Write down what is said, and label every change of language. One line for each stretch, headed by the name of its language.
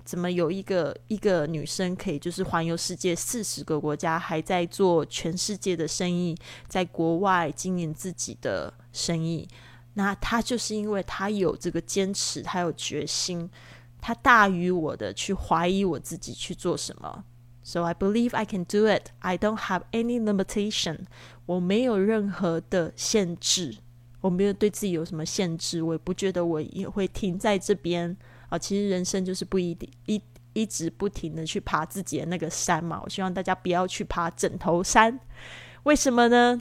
Chinese: 怎么有一个女生可以就是环游世界40个国家，还在做全世界的生意，在国外经营自己的生意？那他就是因为他有这个坚持，他有决心，他大于我的去怀疑我自己去做什么。
English: So I believe I can do it. I don't have any limitation.
Chinese: 我没有任何的限制，我没有对自己有什么限制，我也不觉得我也会停在这边、哦、其实人生就是不 一直不停的去爬自己的那个山嘛。我希望大家不要去爬枕头山。为什么呢？